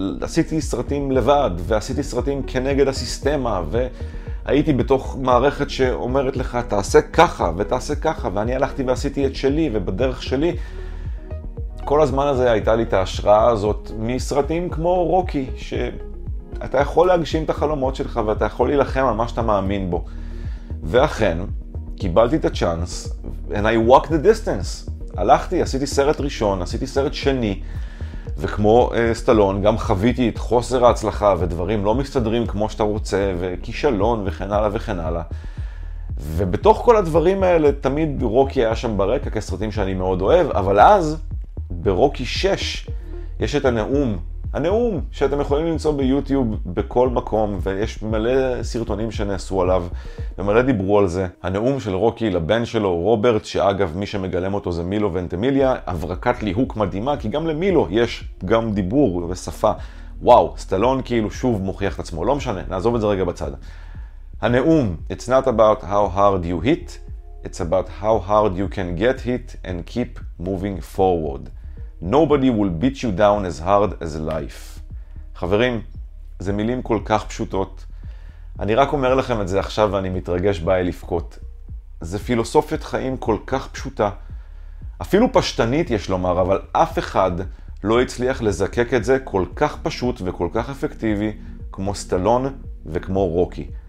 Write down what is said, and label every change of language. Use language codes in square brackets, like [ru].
[he] עשיתי סרטים לבד, ועשיתי סרטים כנגד הסיסטמה, והייתי בתוך מערכת שאומרת לך, תעשה ככה ותעשה ככה, ואני הלכתי ועשיתי את שלי ובדרך שלי. כל הזמן הזה הייתה לי את ההשראה הזאת מסרטים כמו רוקי, שאתה יכול להגשים את החלומות שלך ואתה יכול להילחם על מה שאתה מאמין בו. ואכן, קיבלתי את הצ'אנס, [en] and I walk the distance. [he] הלכתי, עשיתי סרט ראשון, עשיתי סרט שני, וכמו סטלון, גם חוויתי את חוסר ההצלחה ודברים לא מסתדרים כמו שאתה רוצה, וכישלון וכן הלאה וכן הלאה. ובתוך כל הדברים האלה, תמיד רוקי היה שם ברקע כסרטים שאני מאוד אוהב, אבל אז, ברוקי 6, יש את הנאום. הנאום שאתם יכולים למצוא ביוטיוב בכל מקום, ויש מלא סרטונים שנעשו עליו ומלא דיברו על זה. הנאום של רוקי לבן שלו רוברט, שאגב מי שמגלם אותו זה מילו ונטמיליה, הברקת ליהוק מדהימה, כי גם למילו יש גם דיבור ושפה. וואו, סטלון כאילו שוב מוכיח את עצמו. לא משנה, נעזוב את זה רגע בצד. הנאום: [en] It's not about how hard you hit, it's about how hard you can get hit and keep moving forward. Nobody will beat you down as hard as life. [he] חברים, זה מילים כל כך פשוטות. אני רק אומר לכם את זה עכשיו ואני מתרגש בעי לפקוט. זה פילוסופית חיים כל כך פשוטה. אפילו פשטנית יש לומר, אבל אף אחד לא הצליח לזקק את זה כל כך פשוט וכל כך אפקטיבי כמו סטלון וכמו רוקי.